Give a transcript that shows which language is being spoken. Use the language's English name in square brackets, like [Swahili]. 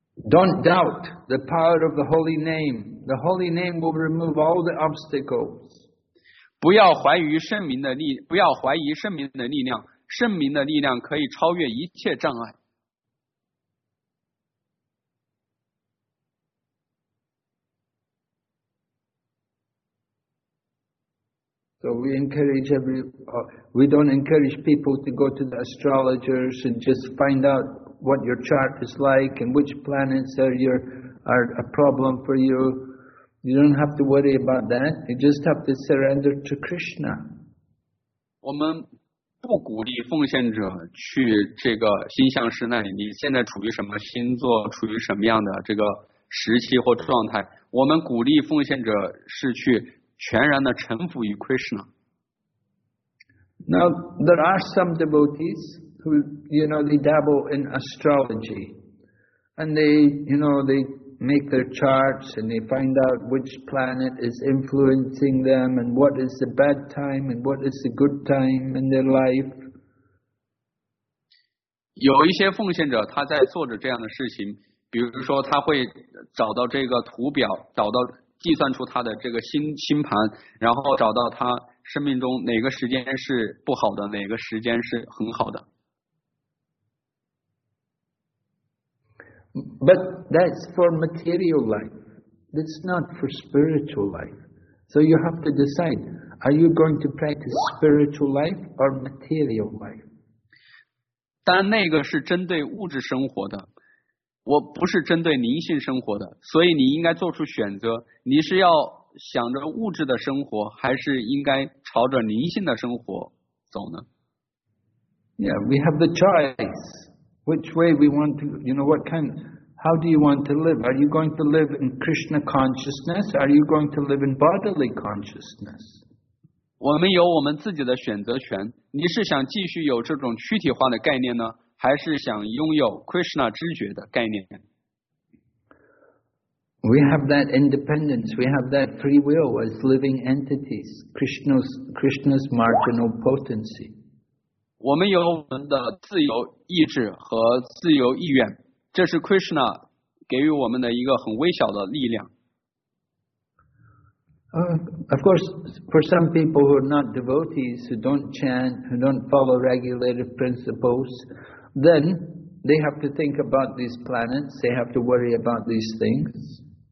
[English] don't doubt the power of the holy name. The holy name will remove all the obstacles. [Chinese] 不要怀疑圣名的力量，圣名的力量可以超越一切障碍。 [English] So we encourage we don't encourage people to go to the astrologers and just find out what your chart is like and which planets are a problem for you. You don't have to worry about that. You just have to surrender to Krishna. [Chinese] 我们不鼓励奉献者去这个星象师那里，你现在处于什么星座，处于什么样的这个时期或状态。我们鼓励奉献者是去全然的臣服于 Krishna. [English] Now, there are some devotees who, you know, they dabble in astrology. And they, you know, they make their charts and they find out which planet is influencing them and what is the bad time and what is the good time in their life. [Chinese] 有一些奉献者他在做着这样的事情，比如说他会找到这个图表，找到计算出他的这个星盘，然后找到他生命中哪个时间是不好的，哪个时间是很好的。 [English] But that's for material life. That's not for spiritual life. So you have to decide: are you going to practice spiritual life or material life? [Chinese] 但那个是针对物质生活的。我不是针对灵性生活的，所以你应该做出选择，你是要想着物质的生活，还是应该朝着灵性的生活走呢？ [English] Yeah, we have the choice. Which way we want to, you know, what kind, how do you want to live? Are you going to live in Krishna consciousness? Are you going to live in bodily consciousness? [Chinese] 我们有我们自己的选择权，你是想继续有这种躯体化的概念呢？还是想拥有 Krishna 知觉的概念。 [English] We have that independence, we have that free will as living entities, Krishna's marginal potency. [Chinese] 我们有我们的自由意志和自由意愿，这是 Krishna 给予我们的一个很微小的力量。 [English] Of course, for some people who are not devotees, who don't chant, who don't follow regulative principles,then they have to think about these planets, they have to worry about these things.